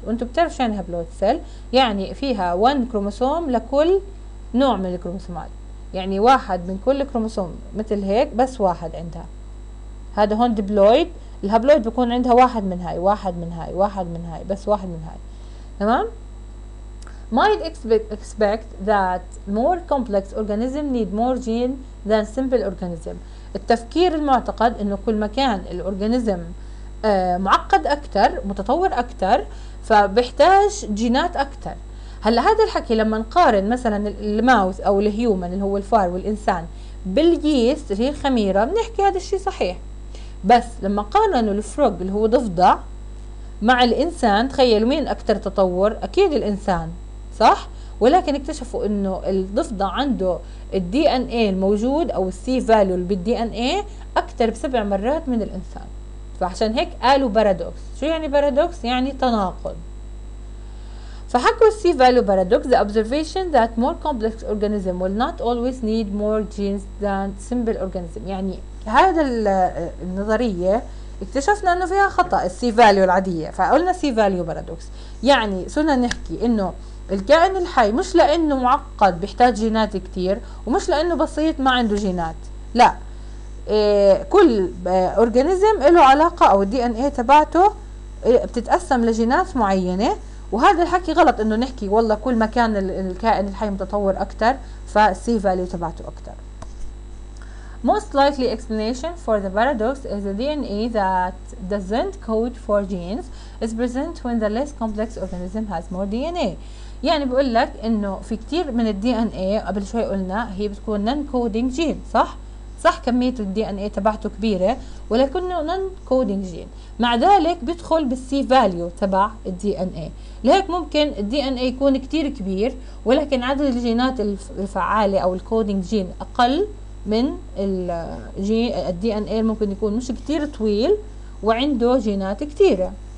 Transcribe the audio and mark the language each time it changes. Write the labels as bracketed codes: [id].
[ar] وانتم بتعرفوا يعني هابلويد سيل، يعني فيها 1 كروموسوم لكل نوع من الكروموسومات، يعني واحد من كل كروموسوم مثل هيك، بس واحد عندها. هذا هون ديبلويد، الهابلويد بيكون عندها واحد من هاي واحد من هاي واحد من هاي بس واحد من هاي. تمام. [en] Might expect that more complex organism need more gene than simple organism. [ar] التفكير المعتقد انه كل ما كان الاورجانيزم معقد اكثر متطور اكثر فبيحتاج جينات اكثر. هلا هذا الحكي لما نقارن مثلا الماوس او الهيومن اللي هو الفار والانسان باليست اللي هي الخميره، بنحكي هذا الشيء صحيح. بس لما قارنوا الفروغ اللي هو ضفدع مع الانسان، تخيلوا مين اكثر تطور؟ اكيد الانسان، صح؟ ولكن اكتشفوا انه الضفدع عنده الدي ان اي الموجود او السي فاليو اللي بالدي ان اي اكثر بسبع مرات من الانسان. فعشان هيك قالوا بارادوكس. شو يعني بارادوكس؟ يعني تناقض. فحكوا السي فاليو بارادوكس [en] the observation that more complex organism will not always need more genes than simple organism. [ar] يعني هذا النظرية اكتشفنا انه فيها خطأ، السي فاليو العادية. فقلنا سي فاليو بارادوكس، يعني صرنا نحكي انه الكائن الحي مش لانه معقد بيحتاج جينات كتير، ومش لانه بسيط ما عنده جينات، لا. كل اورجانيزم له علاقة او الدي ان اي تبعته بتتقسم لجينات معينة. وهذا الحكي غلط انه نحكي والله كل ما كان الكائن الحي متطور اكتر فالسي فاليو تبعته اكتر. [en] Most likely explanation for the paradox is the DNA that doesn't code for genes is present when the less complex organism has more DNA. [ar] يعني بقول لك انه في كتير من الدي ان اي قبل شوي قلنا هي بتكون نون كودينج جين، صح؟ صح، كمية الدي ان اي تبعته كبيرة ولكنه نون كودينج جين، مع ذلك بيدخل بالسي فاليو تبع الدي ان اي. لهيك ممكن الدي ان اي يكون كتير كبير ولكن عدد الجينات الفعالة او الكودينج جين اقل من الدي ان اي، ممكن يكون مش كتير طويل وعنده جينات كتيرة.